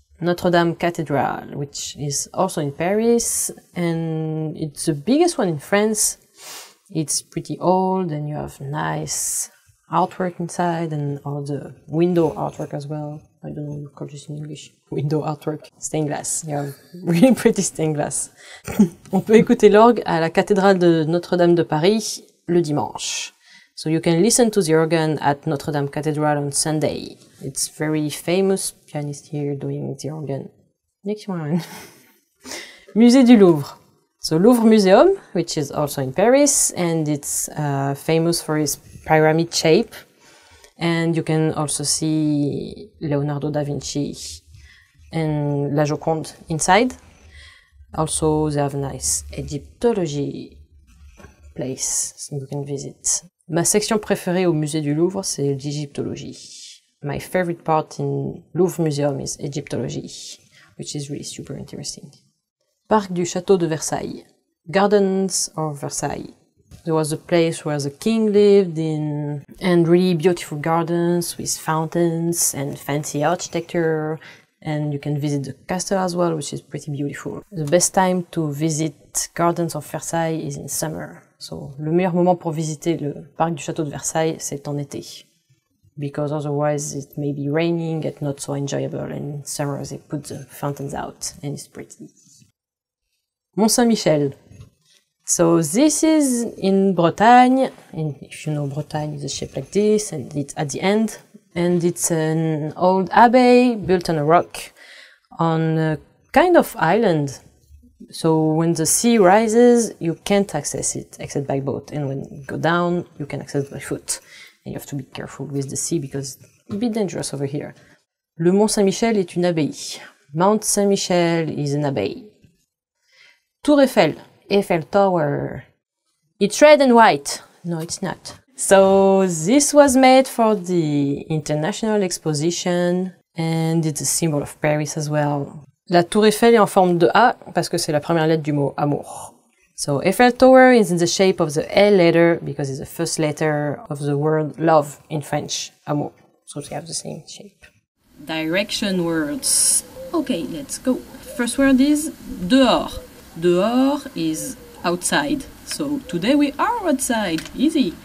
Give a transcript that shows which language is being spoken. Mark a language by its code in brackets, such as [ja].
[en] Notre-Dame Cathedral, which is also in Paris, and it's the biggest one in France. It's pretty old, and you have nice artwork inside, and all the window artwork as well. I don't know how you call this in English. Window artwork. Stained glass. You have really pretty stained glass. [fr] On peut écouter l'orgue à la cathédrale de Notre-Dame de Paris le dimanche. [en] So you can listen to the organ at Notre-Dame Cathedral on Sunday. It's very famous pianist here doing the organ. Next one. Musée du Louvre. So Louvre Museum, which is also in Paris, and it's famous for its pyramid shape. And you can also see Leonardo da Vinci and La Joconde inside. Also, they have a nice Egyptology place you can visit. [fr] Ma section préférée au Musée du Louvre, c'est l'égyptologie. [en] My favorite part in Louvre Museum is Egyptology, which is really super interesting. Parc du Château de Versailles. Gardens of Versailles. There was a place where the king lived in, and really beautiful gardens with fountains and fancy architecture. And you can visit the castle as well, which is pretty beautiful. The best time to visit Gardens of Versailles is in summer. [fr] So, le meilleur moment pour visiter le parc du château de Versailles, c'est en été. [en] Because otherwise it may be raining and not so enjoyable, and in summer they put the fountains out and it's pretty. Mont-Saint-Michel. So this is in Bretagne, and if you know Bretagne, it's shaped like this and it's at the end. And it's an old abbey built on a rock on a kind of island. So when the sea rises, you can't access it except by boat. And when it goes down, you can access it by foot. And you have to be careful with the sea because it's a bit dangerous over here. [fr] Le Mont Saint-Michel est une abbaye. [en] Mount Saint-Michel is an abbey. Tour Eiffel, Eiffel Tower. It's red and white. No, it's not. So this was made for the International Exposition and it's a symbol of Paris as well. [fr] La Tour Eiffel est en forme de A parce que c'est la première lettre du mot amour. [en] So Eiffel Tower is in the shape of the L letter because it's the first letter of the word love in French, amour. So they have the same shape. Direction words. Okay, let's go. First word is dehors. Dehors is outside. So today we are outside. Easy.